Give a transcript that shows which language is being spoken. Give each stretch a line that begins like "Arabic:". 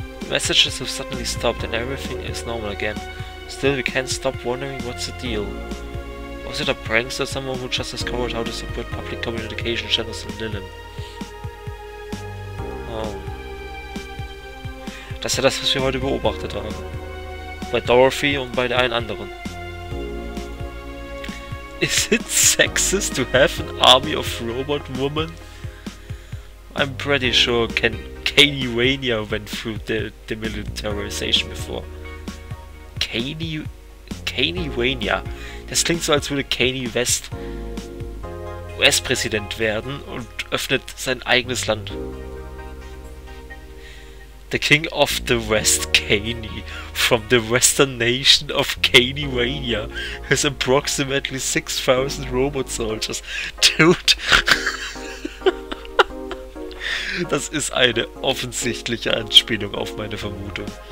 English: Messages have suddenly stopped and everything is normal again. Still, we can't stop wondering what's the deal. Was it a prankster, someone who just discovered how to support public communication channels in Lillen? Oh.
German: Das ist ja das, was wir heute beobachtet haben. Bei Dorothy und bei der einen anderen.
English: Is it sexist to have an army of robot women? I'm pretty sure Kanye Rania went through the demilitarization before. Kanye Rania?
German: Das klingt so, als würde Kanye West US-Präsident werden und öffnet sein eigenes Land.
English: The King of the West, Kanye, from the Western Nation of Kanye-Rania, has approximately 6,000 robot soldiers. Dude!
German: Das ist eine offensichtliche Anspielung auf meine Vermutung.